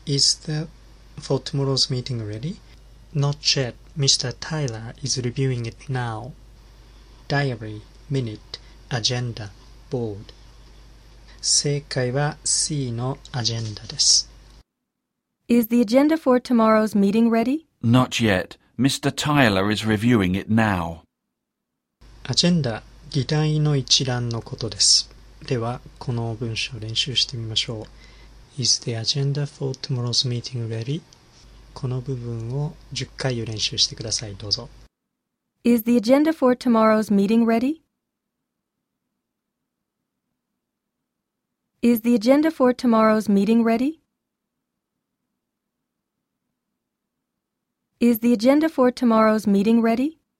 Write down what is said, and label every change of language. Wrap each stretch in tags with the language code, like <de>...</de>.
<en>Is the for tomorrow's meeting ready? Not yet. Mr. Tyler is reviewing it now. Diary, minute, agenda, board.</en> <ja>正解は C のアジェンダです。</ja> <en>Is the agenda for tomorrow's meeting ready? Not yet. Mr. Tyler is reviewing it now.</en> <ja>アジェンダ、議題の一覧のことです。では、この文章を練習してみましょう。</ja> <en>Is the agenda for tomorrow's meeting ready?</en> <ja>この部分を10回を練習してください。どうぞ。</ja> <en>Is the agenda for tomorrow's meeting ready? Is the agenda for tomorrow's meeting ready? Is the agenda for tomorrow's meeting ready?</en>